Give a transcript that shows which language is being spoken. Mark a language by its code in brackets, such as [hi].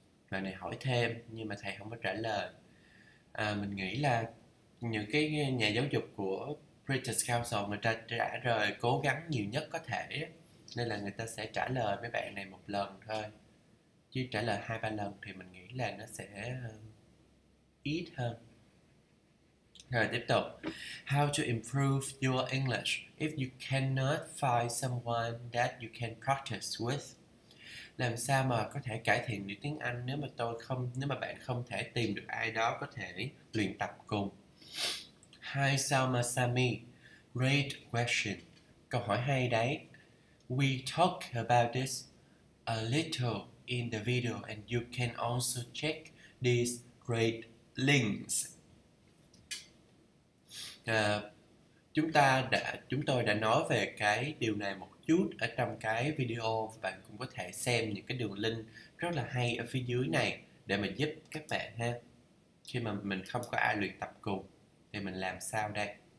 [vi] Bạn này hỏi thêm nhưng mà thầy không có trả lời. Mình nghĩ là những cái nhà giáo dục của British Council người ta đã rồi cố gắng nhiều nhất có thể, nên là người ta sẽ trả lời với bạn này một lần thôi, chứ trả lời 2-3 lần thì mình nghĩ là nó sẽ ít hơn. Rồi tiếp tục. [en] How to improve your English if you cannot find someone that you can practice with? [vi] Làm sao mà có thể cải thiện được tiếng Anh nếu mà nếu mà bạn không thể tìm được ai đó có thể luyện tập cùng? [en] Hi Salma Sami, great question. [vi] Câu hỏi hay đấy. [en] We talk about this a little in the video and you can also check these great links. [vi] Chúng tôi đã nói về cái điều này một chút ở trong cái video, và bạn cũng có thể xem những cái đường link rất là hay ở phía dưới này để mình giúp các bạn ha. Khi mà mình không có ai luyện tập cùng thì mình làm sao đây?